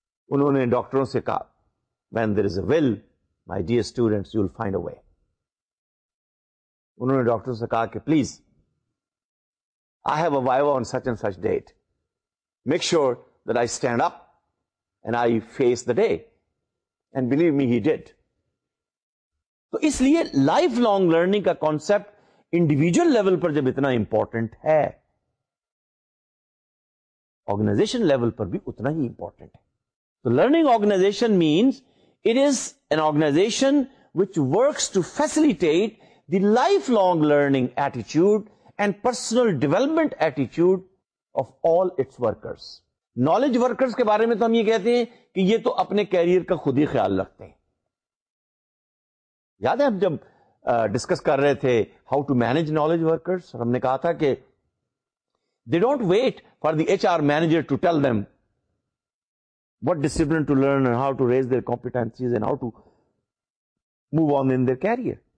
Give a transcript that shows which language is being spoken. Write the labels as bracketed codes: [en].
[ur] Unhone doctoron se kaha, [en] when there is a will, my dear students, you will find a way. [ur] Unhone doctoron se kaha ke, [en] please, I have a viva on such and such date. Make sure that I stand up and I face the day. And believe me, he did. [ur] تو اس لیے life long learning کا concept individual level پر جب اتنا important ہے, organization level پر بھی اتنا ہی important ہے. [en] تو learning organization means it is an organization which works to facilitate the life long learning ایٹیچیوڈ and personal development ایٹیچیوڈ of all it's workers. [ur] Knowledge workers کے بارے میں تو ہم یہ کہتے ہیں کہ یہ تو اپنے کیریئر کا خود ہی خیال رکھتے ہیں. یاد ہے ہم جب ڈسکس کر رہے تھے [en] how to manage knowledge workers, [ur] ہم نے کہا تھا کہ [en] They don't wait for the H R manager to tell them what discipline to learn and how to raise their competencies and how to move on in their career.